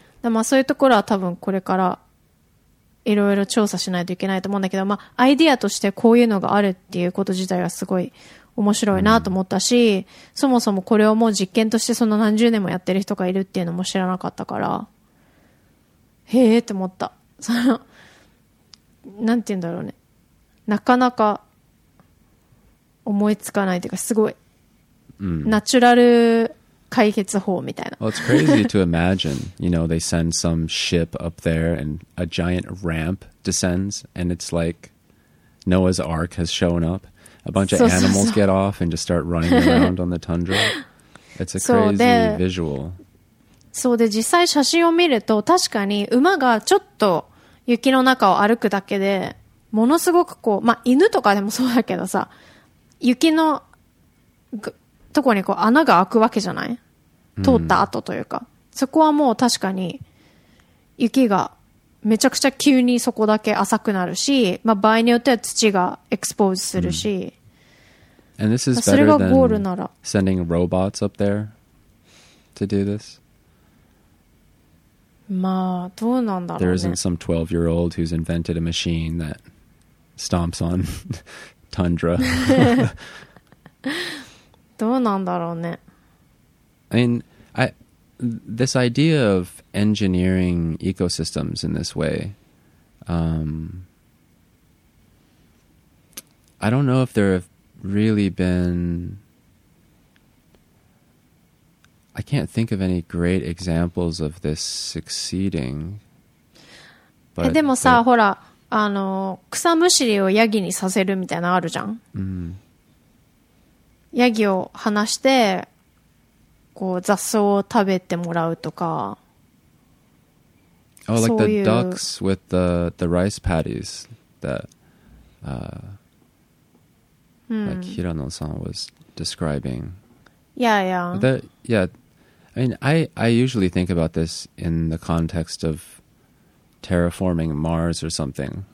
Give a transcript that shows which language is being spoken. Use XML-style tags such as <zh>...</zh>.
<ja>で、まあそういうところは多分これからいろいろ調査しないといけないと思うんだけど、まあアイディアとしてこういうのがあるっていうこと自体はすごい面白いなと思ったし、そもそもこれをもう実験としてその何十年もやってる人がいるっていうのも知らなかったから、へーって思った。その、なんて言うんだろうね。なかなか思いつかないというか、すごい、うん、ナチュラル解決法みたいな。</ja> <en>Well, it's crazy to imagine, you know, they send some ship up there and a giant ramp descends and it's like Noah's Ark has shown up. A bunch of animals get off and just start running around on the tundra. It's a crazy visual.</en> <ja>そうで、実際写真を見ると確かに馬がちょっと雪の中を歩くだけでものすごくこう、まあ犬とかでもそうだけどさ、雪のとこにこう穴が開くわけじゃない？通った後というか、そこはもう確かに雪がめちゃくちゃ急にそこだけ浅くなるし、まあ場合によっては土がエクスポーズするし、</ja> <en>And this is better than</en> <ja>それがゴールなら、</ja> <en>sending robots up there to do this?</en> <ja>まあどうなんだろうね。</ja> <en>There isn't some 12-year-old who's invented a machine that stomps on tundra.</en> <ja>どうなんだろうね。</ja> <en>This idea of engineering ecosystems in this way, I don't know if there have really been, I can't think of any great examples of this succeeding.</en> <ja>But でもさ、ほら、あの、草むしりをヤギにさせるみたいなのあるじゃん。ヤギを放して、こう雑草を食べてもらうとか、</ja> <en>oh, like、そういう the ducks with the rice patties that like Hirano san was describing. Yeah, yeah. That, yeah. I mean, I usually think about this in the context of terraforming Mars or something.</en>